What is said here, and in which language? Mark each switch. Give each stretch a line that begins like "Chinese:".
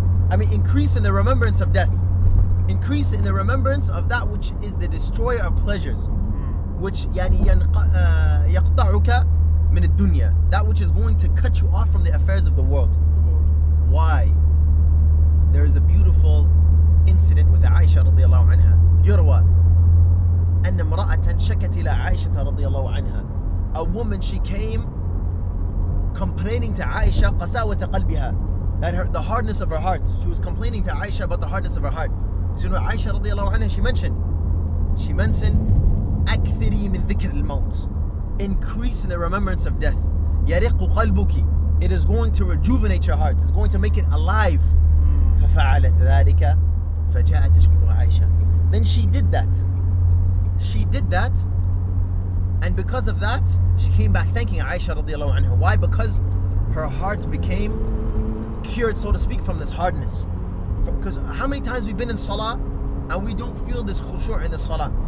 English: I mean, increase in the remembrance of death. Increase in the remembrance of that which is the destroyer of pleasures, which
Arabic: يعني يقطعك من الدنيا.
English: That which is going to cut you off from the affairs of the world. Why? There is a beautiful incident with Aisha radiallahu anha.
Arabic: يروى أن امرأة شكت إلى عائشة رضي الله عنها.
English: A woman, she came complaining to Aisha,
Arabic: قساوة قلبها,
English: that the hardness of her heart. She was complaining to Aisha about the hardness of her heart. So you know, Aisha
Arabic: رضي الله عنها,
English: she mentioned
Arabic: أكثري من ذكر الموت.
English: Increase in the remembrance of death.
Arabic: يرق قلبك.
English: It is going to rejuvenate your heart. It's going to make it alive.
Arabic: ففعلت ذلك فجاءت تشكر عائشة.
English: Then she did that, and because of that, she came back thanking Aisha radiallahu anha. Why? Because her heart became cured, so to speak, from this hardness. Because how many times we've been in salah and we don't feel this khushu' in the salah?